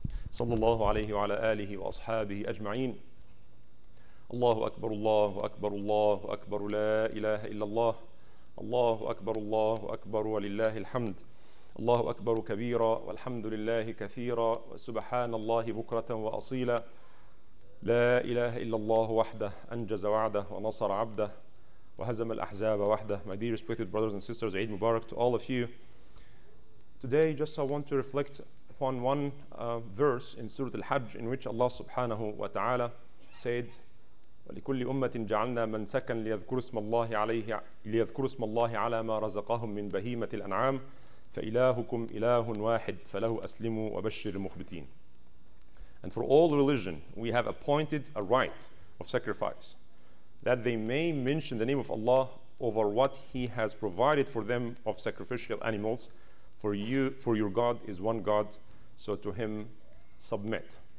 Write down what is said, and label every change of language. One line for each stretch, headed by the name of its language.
Arabic: صلى الله عليه وعلى آله وأصحابه أجمعين الله أكبر الله أكبر الله أكبر لا إله إلا الله الله أكبر الله أكبر ولله الحمد الله أكبر كبيرا والحمد لله كثيرا وسبحان الله بكرة وأصيلا لا إله إلا الله وحده أنجز وعده ونصر عبده وهزم الأحزاب وحده.
English: My dear respected brothers and sisters, Eid Mubarak to all of you. Today, just I want to reflect upon one verse in Surah Al-Hajj in which Allah subhanahu wa ta'ala said,
Arabic: ولكل أمة جعلنا من سكن ليذكر اسم الله عليه ليذكر اسم الله على ما رزقهم من بهيمة الأنعام فإلهكم إله واحد فله أسلموا وبشر المخبتين.
English: And for all religion, we have appointed a rite of sacrifice that they may mention the name of Allah over what He has provided for them of sacrificial animals. For your God is one God, so to Him submit.